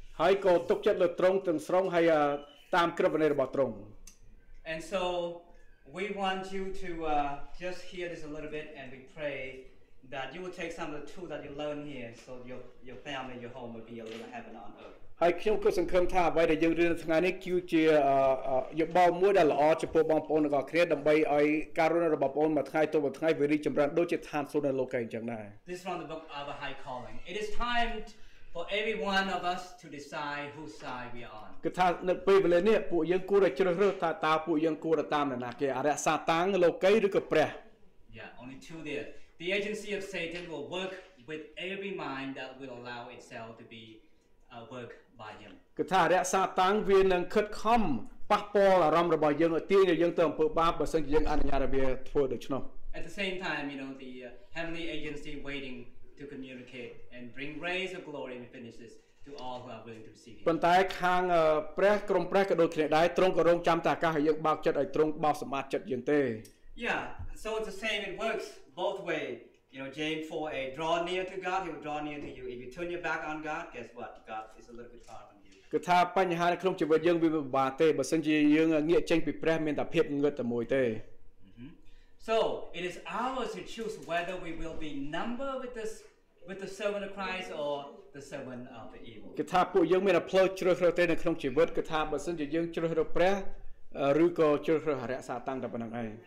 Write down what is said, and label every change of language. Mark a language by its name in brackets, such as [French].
[Khmer] ហើយក៏ទុកចិត្តលើទ្រង់ទាំងស្រុងហើយតាមក្រឹត្យវិន័យរបស់ទ្រង់ [English] And so we want you to just hear this a little bit and we pray that you will take some of the tools that you learn here so your family your home will be a little heaven on earth [Khmer] ហើយខ្ញុំក៏សង្ឃឹមថាអ្វីដែលយើងរៀនថ្ងៃនេះគឺជាយោបល់មួយដែលល្អចំពោះបងប្អូនទាំងអស់គ្នាដើម្បីឲ្យការរស់នៅរបស់បងប្អូនមួយថ្ងៃទៅមួយថ្ងៃវារីកចម្រើនដូចជាឋានសួគ៌នៅលោកីយ៍អញ្ចឹងដែរ [English] This is from the book of a high calling it is time for every one of us to decide whose side we are on [Khmer] គឺថានៅពេលវេលានេះពួកយើងគួរតែជ្រើសរើសថាតើពួកយើងគួរតែតាមនរណាគេអរិយសាតាំងលោកីយ៍ឬក៏ព្រះ [English] Yeah only two there the agency of satan will work with every mind that will allow itself to beWork by him. [Khmer] គឺថារះសាតាំងវានឹងខិតខំប៉ះពាល់អារម្មណ៍របស់យើងឲ្យទាញឲ្យយើងទៅអំពើបាបបើមិនយើងអនុញ្ញាតឲ្យវាធ្វើដូច្នោះ [English] At the same time, you know, the heavenly agency waiting to communicate and bring rays of glory and finishes to all who are willing to receive him. [Khmer] ប៉ុន្តែខាងព្រះក្រុមព្រះក៏ដូចគ្នាដែរទ្រង់ក៏រងចាំតែអាកាសឲ្យយើងបោកចិត្តឲ្យទ្រង់បោះសម្បត្តិចិត្តយើងទេ [English] Yeah, so it's the same it works both way. You know, James 4a, draw near to God, he will draw near to you. If you turn your back on God, guess what? God is a little bit far from you. [Khmer] គឺថាបញ្ហានៅក្នុងជីវិតយើងវាពិបាកទេបើមិនជាយើងងាកចេញពីព្រះមានតែភាពងឹតតែមួយទេ [English] So, it is ours to choose whether we will be number with the servant of Christ or the servant of the evil. [Khmer] គឺថាពួកយើងមានតែផ្លូវជ្រើសរើសទេនៅក្នុងជីវិតគឺថាបើមិនជាយើងជ្រើសរើសព្រះឬក៏ជ្រើសរើសអរិយសាតាំងតែប៉ុណ្្នឹងឯង